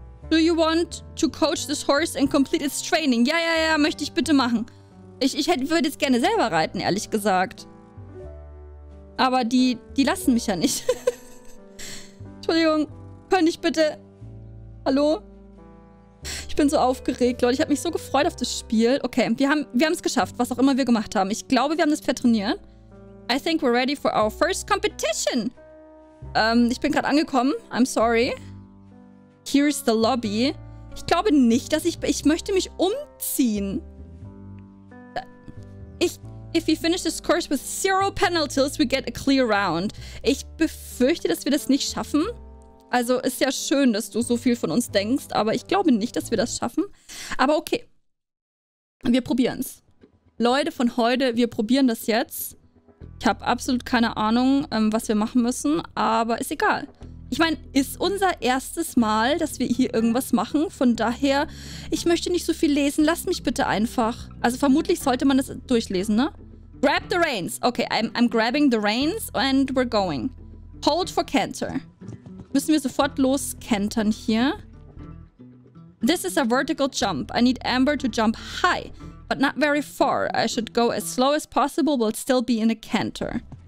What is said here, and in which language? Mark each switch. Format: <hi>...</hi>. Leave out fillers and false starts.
<en>Do you want to coach this horse and complete its training?</en> <de>Ja, ja, ja, möchte ich bitte machen. Ich würde jetzt gerne selber reiten, ehrlich gesagt. Aber die lassen mich ja nicht. Entschuldigung, könnte ich bitte... Hallo? Ich bin so aufgeregt, Leute. Ich habe mich so gefreut auf das Spiel. Okay, wir haben es geschafft, was auch immer wir gemacht haben. Ich glaube, wir haben das Pferd trainiert.</de> <en>I think we're ready for our first competition.</en> <de>Ich bin gerade angekommen.</de> <en>I'm sorry. Here's the lobby.</en> <de>Ich glaube nicht, dass ich möchte mich umziehen.</de> <en>If we finish this course with 0 penalties, we get a clear round.</en> <de>Ich befürchte, dass wir das nicht schaffen. Also, ist ja schön, dass du so viel von uns denkst, aber ich glaube nicht, dass wir das schaffen. Aber okay. Wir probieren's. Leute von heute, wir probieren das jetzt. Ich habe absolut keine Ahnung, was wir machen müssen, aber ist egal. Ich meine, ist unser erstes Mal, dass wir hier irgendwas machen. Von daher, ich möchte nicht so viel lesen. Lass mich bitte einfach. Also, vermutlich sollte man das durchlesen, ne?</de> <en>Grab the reins. Okay, I'm grabbing the reins and we're going. Hold for canter.</en> <de>Müssen wir sofort loskentern hier.</de> <en>This is a vertical jump. I need Amber to jump high, but not very far. I should go as slow as possible, but still be in a canter.</en>